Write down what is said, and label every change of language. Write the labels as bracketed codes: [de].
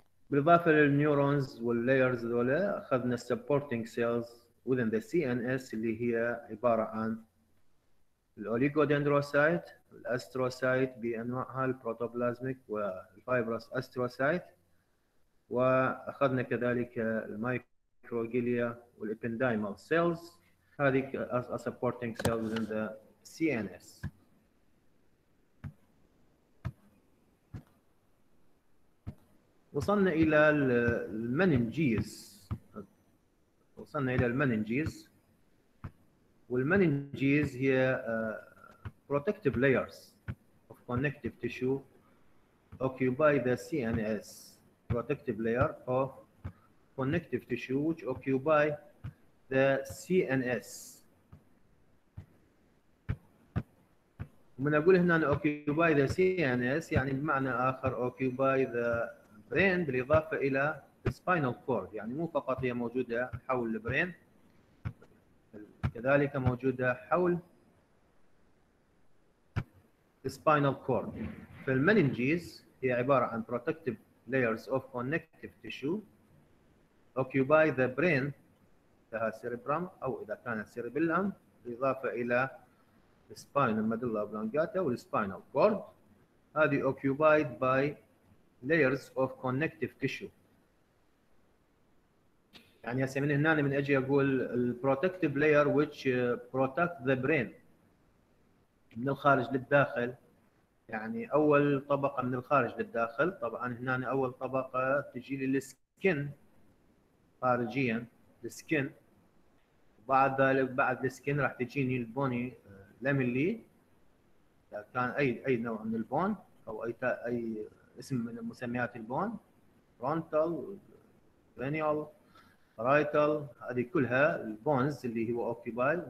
[ar] بالاضافه للنيورونز واللايرز ذولا اخذنا السبورتنج سيلز [en] within the CNS [ar] اللي هي عبارة عن الأوليغودندروسايت، الأستروسايت بأنواعها البروتوبلازميك والفايبروس أستروسايت، وأخذنا كذلك المايكروغليا والإبندايمال سيلز. هذه [en] as a supporting cell within the CNS. [ar] وصلنا إلى المننجيز. وصلنا إلى المننجيز، والمننجيز هي [en] protective layers of connective tissue occupy the CNS. Protective layer of connective tissue which occupy the CNS. [ar] ومن أقول هنا [en] occupy the CNS [ar] يعني بمعنى آخر [en] occupy the brain [ar] بالإضافة إلى spinal cord، يعني مو فقط هي موجودة حول البرين كذلك موجودة حول spinal cord. فالمننجيز هي عبارة عن [en] protective layers of connective tissue occupy the brain [ar] لها cerebrum أو إذا كان cerebellum بالإضافة إلى spinal medulla oblongata والspinal cord. [en] هذه occupied by layers of connective tissue. [ar] يعني هسه من هنا من اجي اقول البروتكتيف لاير ويتش بروتكت ذا برين من الخارج للداخل، يعني اول طبقه من الخارج للداخل. طبعا هنا اول طبقه تجي للسكن خارجيا السكن، بعد ذلك بعد السكن راح تجيني البوني لاملي كان اي نوع من البون او اي اسم من مسميات البون فرونتال رينيال رايتال، هذه كلها البونز اللي هو اوكيبايل.